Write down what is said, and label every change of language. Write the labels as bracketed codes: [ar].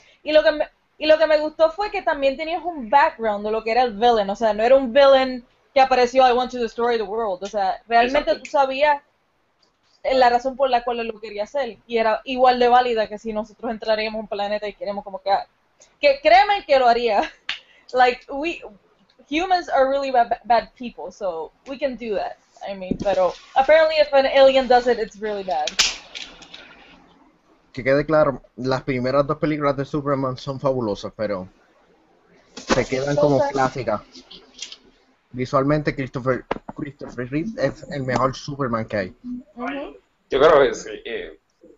[es] Y lo que me gustó fue que también tenías un background de lo que era el villain, o sea, no era un villain que apareció [en] I want to destroy the world, [es] o sea, realmente tú sabías la razón por la cual lo quería hacer, y era igual de válida que si nosotros entraríamos en un planeta y queremos como que créeme que lo haría. [en] Like, we humans are really bad people, so we can do that. I mean, [es] pero [en] apparently if an alien does it, it's really bad. [es] Que quede claro, las primeras dos películas de Superman son fabulosas, pero se quedan como clásicas. Visualmente, Christopher Reeve es el mejor Superman que hay. Yo creo que sí.